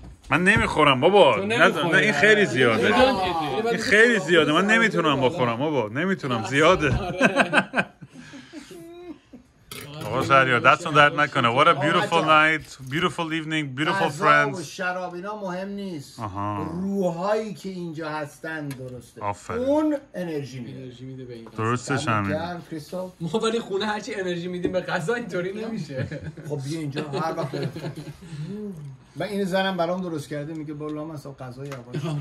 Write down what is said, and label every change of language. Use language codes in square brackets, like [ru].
[fa] من نمیخورم بابا نه این خیلی زیاده این خیلی زیاده من نمیتونم بخورم بابا نمیتونم زیاده آقا سریا دستون درد نکنه. [en] What a beautiful night, beautiful evening, beautiful friends. [fa] شراب اینا مهم نیست. روحایی که اینجا هستن درسته اون انرژی میده درستش همین ما ولی خونه هرچی انرژی میدیم به غذا اینطوری نمیشه. خب بیا اینجا هر وقت من این زنم برام درست کرده میگه بالا من اصلا غذای اول